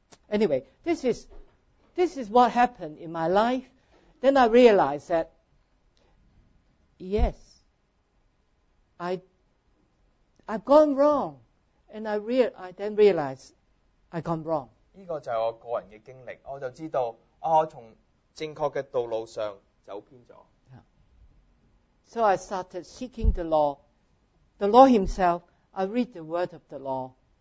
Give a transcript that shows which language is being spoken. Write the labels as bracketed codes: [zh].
[en] Anyway, this is what happened in my life. Then I realized that, yes, I've gone wrong. And I then realized I've gone wrong. [zh] 這就是我個人的經歷，我就知道，我從正確的道路上走偏了。 [en] So I started seeking the law. The law himself, I read the word of the law.